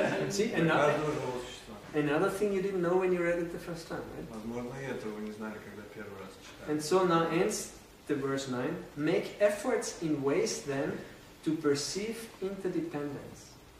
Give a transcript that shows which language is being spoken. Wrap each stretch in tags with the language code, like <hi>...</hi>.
<en>See, another thing you didn't know when you read it the first time, right?</en> <ru>Возможно, и этого вы не знали, когда первый раз читали.</ru> <en>And so now ends the verse 9. Make efforts in ways then to perceive interdependence.</en>